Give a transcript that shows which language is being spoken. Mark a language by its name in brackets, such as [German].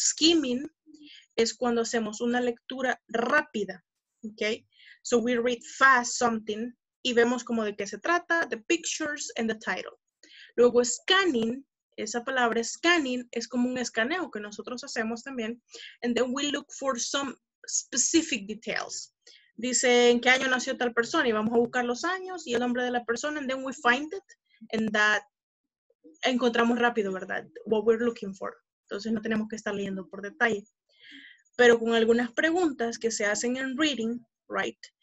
[Spanish] Skimming es cuando hacemos una lectura rápida, ¿ok? [English] So we read fast something [Spanish] y vemos como de qué se trata, [English] the pictures and the title. [Spanish] Luego scanning, esa palabra scanning es como un escaneo que nosotros hacemos también. [English] And then we look for some specific details. [Spanish] Dice en qué año nació tal persona y vamos a buscar los años y el nombre de la persona. [English] And then we find it and that [Spanish] encontramos rápido, ¿verdad? [English] What we're looking for. [Spanish] Entonces no tenemos que estar leyendo por detalle. Pero con algunas preguntas que se hacen en reading, right?